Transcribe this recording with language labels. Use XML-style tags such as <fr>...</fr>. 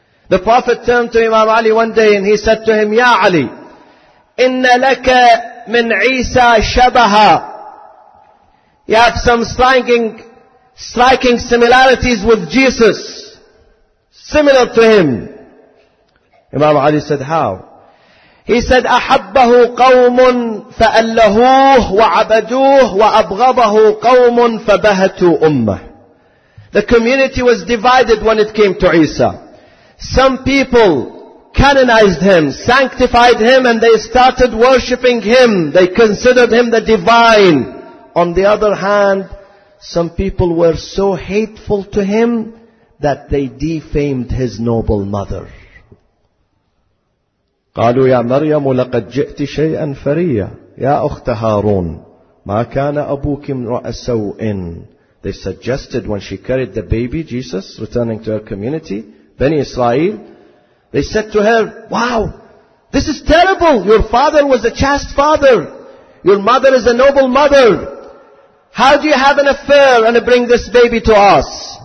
<en>The Prophet turned to Imam Ali one day and he said to him, Ya Ali,</en> <ar>إِنَّ لَكَ مِنْ عِيسَى شَبَهَا.</ar> <en>You have some striking similarities with Jesus. Similar to him. Imam Ali said, how? He said,</en> <ar>أحبه قوم فألهوه وعبدوه وأبغضه قوم فبهتوا أمه.</ar> <en>The community was divided when it came to Isa. Some people canonized him, sanctified him, and they started worshipping him. They considered him the divine. On the other hand, some people were so hateful to him that they defamed his noble mother.</en> <ar>قالوا يا مريم لقد جئت شيئا فريا يا أخت هارون ما كان أبوك امرأ سوء.</ar> <en>They suggested when she carried the baby Jesus returning to her community, Bani Israel, they said to her, wow, this is terrible. Your father was a chaste father. Your mother is a noble mother. How do you have an affair and bring this baby to us?</en>